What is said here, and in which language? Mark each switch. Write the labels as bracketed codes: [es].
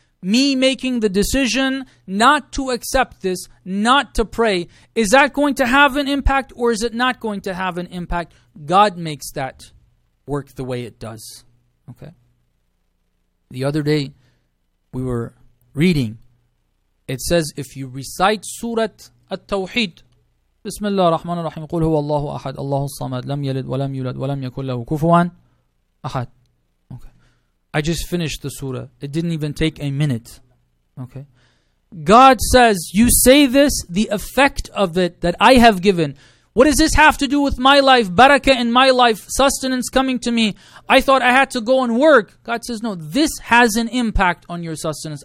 [en] Me making the decision not to accept this, not to pray, is that going to have an impact or is it not going to have an impact? God makes that work the way it does. Okay. The other day, we were reading. It says, if you recite Surah At-Tawheed, [ar] Bismillah ar-Rahman ar-Rahim, قُلْ هُوَ اللَّهُ أَحَدْ اللَّهُ الصَّمَدْ لَمْ يَلِدْ وَلَمْ يُولَدْ وَلَمْ يَكُنْ لَهُ كُفُوًا أَحَدْ. [en] Okay. I just finished the Surah. It didn't even take a minute. Okay. God says, you say this, the effect of it that I have given. What does this have to do with my life? Barakah in my life, sustenance coming to me. I thought I had to go and work. God says, no, this has an impact on your sustenance.